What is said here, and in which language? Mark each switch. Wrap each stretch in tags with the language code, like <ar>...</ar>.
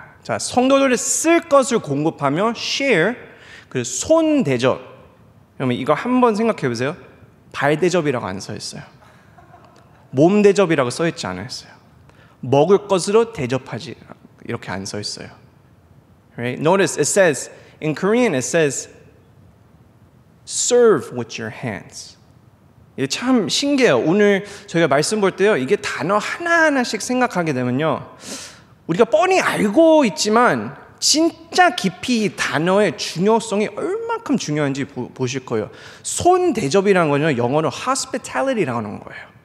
<ko>자, 성도들이 쓸 것을 공급하며 share, 그리고 손 대접. 여러분 이거 한번 생각해 보세요. 발 대접이라고 안 써 있어요. 몸 대접이라고 써 있지 않았어요. 먹을 것으로 대접하지 이렇게 안 써 있어요.</ko> <en>Right? Notice it says in Korean it says serve with your hands.</en> <ko>이게 참 신기해요. 오늘 저희가 말씀 볼 때요, 이게 단어 하나하나씩 생각하게 되면요, 우리가 뻔히 알고 있지만 진짜 깊이 단어의 중요성이 얼만큼 중요한지 보실 거예요. 손 대접이라는 거는 영어로 hospitality라는 거예요.</ko>